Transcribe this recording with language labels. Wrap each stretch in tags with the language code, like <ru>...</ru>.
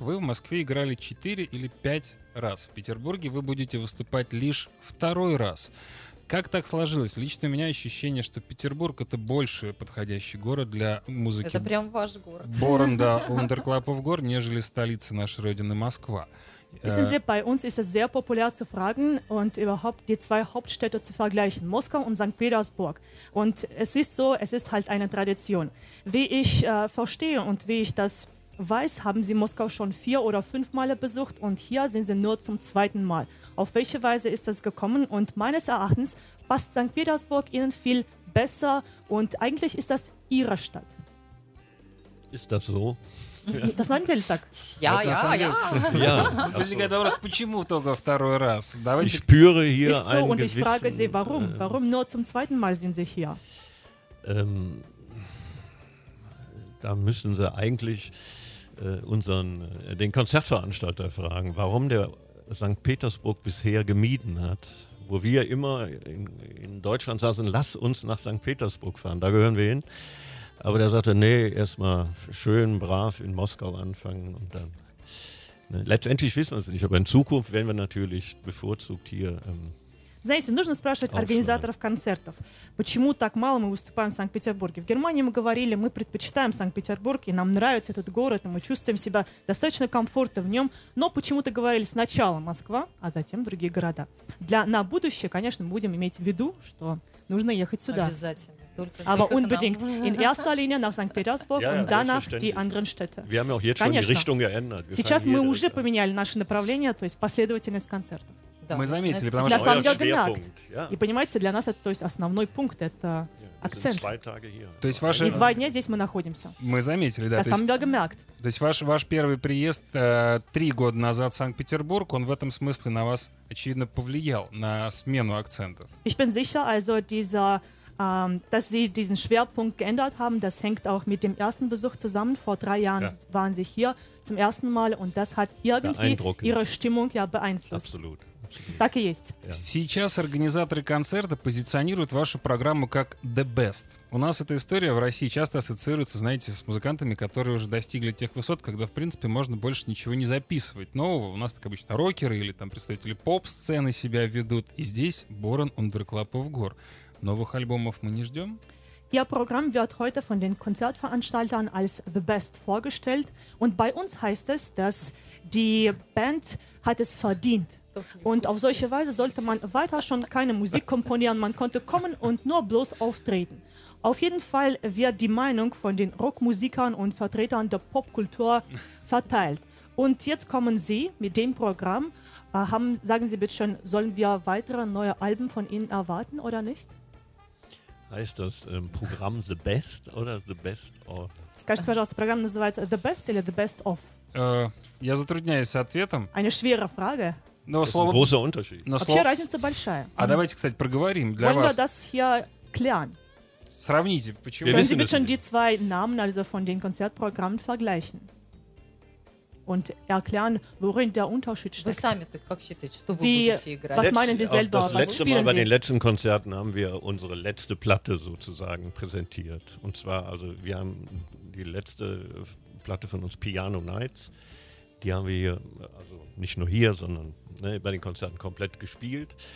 <ru>Вы в Москве играли 4 или 5 раз. В Петербурге вы будете выступать лишь второй раз. Как так сложилось? Лично у меня ощущение, что Петербург — это больше подходящий город для музыки. Это прям ваш город. Born, да, Under Club of Gore, нежели столица нашей родины Москва.</ru> <de>Wissen Sie, bei uns ist es sehr populär zu fragen und überhaupt die zwei Hauptstädte zu vergleichen, Moskau und St. Petersburg. Und es ist so, es ist halt eine Tradition. Wie ich verstehe und wie ich das weiß, haben Sie Moskau schon 4 oder 5 Male besucht und hier sind Sie nur zum 2. Mal. Auf welche Weise ist das gekommen? Und meines Erachtens passt St. Petersburg Ihnen viel besser und eigentlich ist das Ihre Stadt. Ist das so? Das</de> <ru>на самом деле так.</ru> <de>Ich spüre hier ein gewissen... Und ich frage Sie, warum? Warum nur zum 2. Mal sind Sie hier? Da müssen Sie eigentlich den Konzertveranstalter fragen, warum der St. Petersburg bisher gemieden hat. Wo wir immer in Deutschland saßen, lass uns nach St. Petersburg fahren, da gehören wir hin. Aber der sagte, nee, erstmal schön brav in Moskau anfangen und dann. Ne. Letztendlich wissen wir es nicht, aber in Zukunft werden wir natürlich bevorzugt hier.</de> <ru>Знаете, нужно спрашивать организаторов концертов, почему так мало мы выступаем в Санкт-Петербурге. В Германии мы говорили, мы предпочитаем Санкт-Петербург, и нам нравится этот город, и мы чувствуем себя достаточно комфортно в нем, но почему-то говорили сначала Москва, а затем другие города. Для на будущее, конечно, будем иметь в виду, что нужно ехать сюда. Обязательно.</ru> <de>Aber unbedingt. In erster Linie nach Sankt-Petersburg und danach die anderen Städte. Wir haben auch jetzt schon die Richtung geändert.</de> <ru>Сейчас мы уже поменяли наше направление, то есть последовательность концертов. Да, мы заметили, потому что это пункт. И понимаете, для нас это то есть основной пункт, это акцент. То есть ваши... И два дня здесь мы находимся. Мы заметили, да. То есть ваш первый приезд 3 года назад в Санкт-Петербург, он в этом смысле на вас, очевидно, повлиял, на смену акцентов.</ru> <de>Ich bin sicher, also dieser, dass Sie diesen Schwerpunkt geändert haben, das hängt auch mit dem ersten Besuch zusammen. Vor 3 Jahren waren Sie hier zum ersten Mal und das hat irgendwie Ihre Stimmung ja beeinflusst. Absolut.</de> <ru>Так и есть. Сейчас организаторы концерта позиционируют вашу программу как «the best». У нас эта история в России часто ассоциируется, знаете, с музыкантами, которые уже достигли тех высот, когда, в принципе, можно больше ничего не записывать нового. У нас так обычно рокеры или там представители поп-сцены себя ведут. И здесь Born Under Club of Gore. Новых альбомов мы не ждем.</ru> <de>Ihr Programm wird heute von den Konzertveranstaltern als The Best vorgestellt. Und bei uns heißt es, dass die Band hat es verdient. Und auf solche Weise sollte man weiter schon keine Musik komponieren. Man konnte kommen und nur bloß auftreten. Auf jeden Fall wird die Meinung von den Rockmusikern und Vertretern der Popkultur verteilt. Und jetzt kommen Sie mit dem Programm. Sagen Sie bitte schön, sollen wir weitere neue Alben von Ihnen erwarten oder nicht? Heißt das Programm The Best oder The Best Of?</de> <ru>Скажите, пожалуйста, программа называется The Best или The Best Of? Я затрудняюсь с ответом.</ru> <de>Eine schwere Frage.</de> <ru>Но это слово...</ru> <de>Großer Unterschied.</de> <ru>Но вообще разница большая. А давайте, кстати, проговорим для</ru> <de>Wollen</de> <ru>вас.</ru> <de>Wollen wir das hier klären?</de> <ru>Сравните, почему...</ru> <de>Können Sie bitte schon die zwei Namen, also von den Konzertprogrammen, vergleichen? Und erklären, worin der Unterschied steckt.</de> <ru>Вы сами так как считаете, что вы будете играть?</ru> <de>Was meinen Sie selber? Das letzte Mal bei den letzten Konzerten haben wir unsere letzte Platte sozusagen präsentiert. Und zwar, also wir haben die letzte Platte von uns, Piano Nights. Die haben wir hier, also nicht nur hier, sondern ne, bei den Konzerten komplett gespielt.</de>